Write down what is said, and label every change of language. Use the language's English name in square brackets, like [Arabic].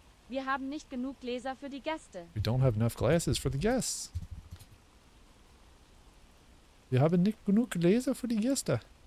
[German] Wir haben nicht genug Gläser für die Gäste. [English] We don't have enough glasses for the guests. [German] Wir haben nicht genug Gläser für die Gäste.